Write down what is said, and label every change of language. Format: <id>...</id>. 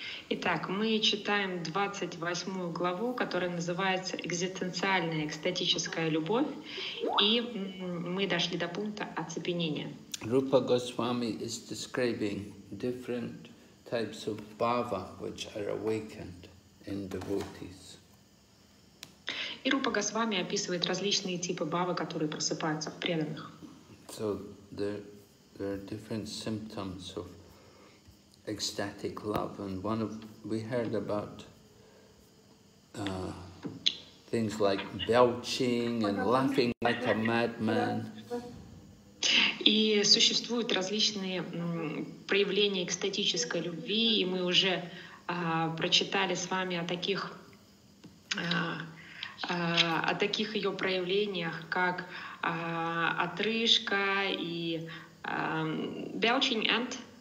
<ru>Итак, мы читаем 28 главу, которая называется «Экзистенциальная экстатическая любовь», и мы дошли до пункта оцепенения.</ru> <en>Rupa Goswami is describing different types of bhava which are awakened in devotees.</en> <ru>И Рупа Госвами описывает различные типы бхавы, которые просыпаются в преданных.</ru> <en>So there are different symptoms of ecstatic love, and we heard about things like belching and laughing like a madman.</en> <ru>И существуют различные проявления экстатической любви, и мы уже прочитали с вами о таких ее проявлениях, как отрыжка и</ru> <en>belching and</en>